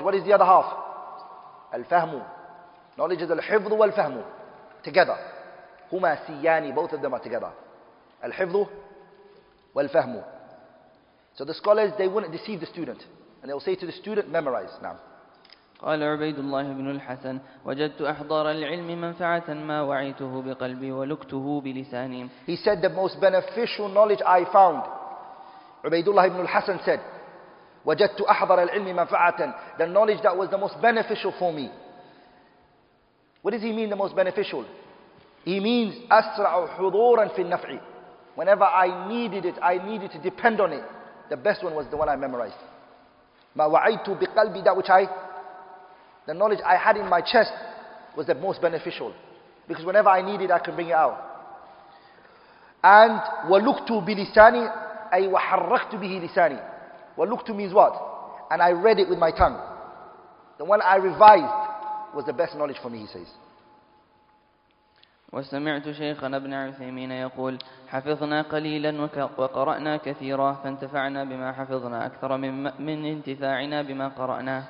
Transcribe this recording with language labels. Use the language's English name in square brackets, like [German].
[English] What is the other half? Al-fahmu. Knowledge is al-hifdhu wal-fahmu. Together. [Arabic] Huma siyani. [English] Both of them are together. [Arabic] Al-hifdhu. وَالْفَهْمُ. [English] So the scholars, they wouldn't deceive the student. And they will say to the student, memorize. Now. [Arabic] قال عبيد الله بن الحسن وجدت أحضار العلم منفعة ما وعيته بقلبي ولكته بلساني. [English] He said, the most beneficial knowledge I found, عبيد الله بن الحسن said, [Arabic] وَجَدْتُ أَحْضَرَ الْعِلْمِ مَنْفَعَةً. [English] The knowledge that was the most beneficial for me. What does he mean, the most beneficial? He means [Arabic] أَسْرَعُ حُضُورًا فِي النَّفْعِ. [English] Whenever I needed it, I needed to depend on it. The best one was the one I memorized. [Arabic] مَا وَعَيْتُ بِقَلْبِ. [English] That which I, the knowledge I had in my chest was the most beneficial. Because whenever I needed, I can bring it out. And [Arabic] وَلُكْتُ بِلِسَانِ. أي وَحَرَّكْتُ بِهِ لِسَانِ. [English] وَلُكْتُ means what? And I read it with my tongue. The one I revised was the best knowledge for me, he says. [Arabic] وَسَمِعْتُ شَيْخَنَا ابْنَ عُثَيْمِينَ يَقُولْ حَفِظْنَا قَلِيلًا وَقَرَأْنَا كَثِيرًا فَانْتَفَعْنَا بِمَا حَفِظْنَا أَكْثَرَ مِنْ انْتِفَاعِنَا بِمَا قَرَأْنَا.